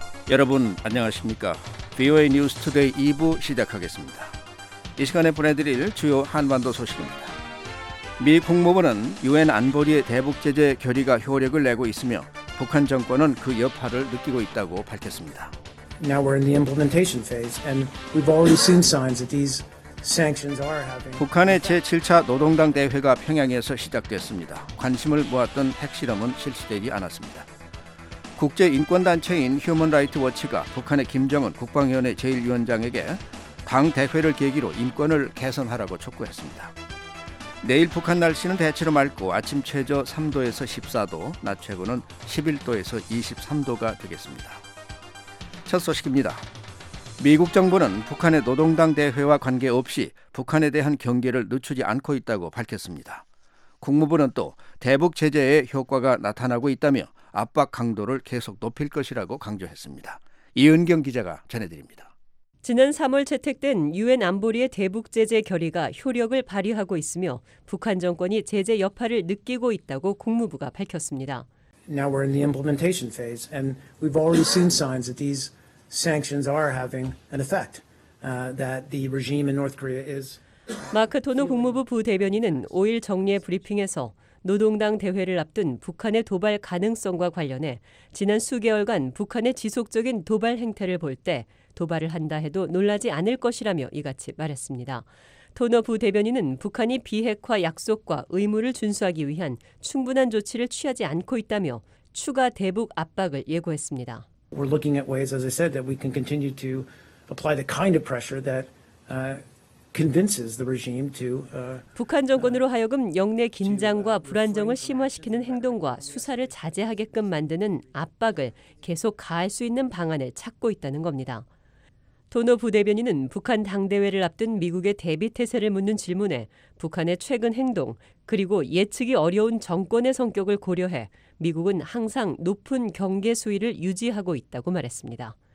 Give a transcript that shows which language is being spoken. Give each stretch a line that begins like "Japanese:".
Korean: 여러분 안녕하십니까? VOA News Today 2부 시작하겠습니다. 이 시간에 보내드릴 주요 한반도 소식입니다. 미 국무부는 유엔 안보리의 대북 제재 결의가 효력을 내고 있으며 북한 정권은 그 여파를 느끼고 있다고 밝혔습니다.
English: Now we're in the implementation phase and we've already seen signs that these sanctions are having.
Korean: 북한의 제7차 노동당 대회가 평양에서 시작됐습니다. 관심을 모았던 핵실험은 실시되지 않았습니다. 국제 인권 단체인 휴먼 라이트 워치가 북한의 김정은 국방위원회 제1위원장에게 당 대회를 계기로 인권을 개선하라고 촉구했습니다. 내일 북한 날씨는 대체로 맑고 아침 최저 3도에서 14도, 낮 최고는 11도에서 23도가 되겠습니다. 첫 소식입니다. 미국 정부는 북한의 노동당 대회와 관계없이 북한에 대한 경계를 늦추지 않고 있다고 밝혔습니다. 국무부는 또 대북 제재의 효과가 나타나고 있다며 압박 강도를 계속 높일 것이라고 강조했습니다. 이은경 기자가 전해드립니다. 지난 3월 채택된 유엔 안보리의 대북 제재 결의가 효력을 발휘하고 있으며 북한 정권이 제재 여파를 느끼고 있다고 국무부가 밝혔습니다.
English: Now we're in the implementation phase and we've already seen signs that these sanctions are having an effect that the regime in North Korea is
Korean: 마크 토노 국무부 부대변인은 5일 정례 브리핑에서 노동당 대회를 앞둔 북한의 도발 가능성과 관련해 지난 수개월간 북한의 지속적인 도발 행태를 볼 때 도발을 한다 해도 놀라지 않을 것이라며 이같이 말했습니다. 토너 부대변인은 북한이 비핵화 약속과 의무를 준수하기 위한 충분한 조치를 취하지 않고 있다며 추가 대북 압박을 예고했습니다.
English: We're looking at ways, as I said, that we can continue to apply the kind of pressure that convinces the regime to
Korean: 북한 정권으로 하여금 영내 긴장과 불안정을 심화시키는 행동과 수사를 자제하게끔 만드는 압박을 계속 가할 수 있는 방안을 찾고 있다는 겁니다. 토노 부대변인은 북한 당대회를 앞둔 미국의 대비 태세를 묻는 질문에 북한의 최근 행동 그리고 예측이 어려운 정권의 성격을 고려해 미국은 항상 높은 경계 수위를 유지하고 있다고 말했습니다.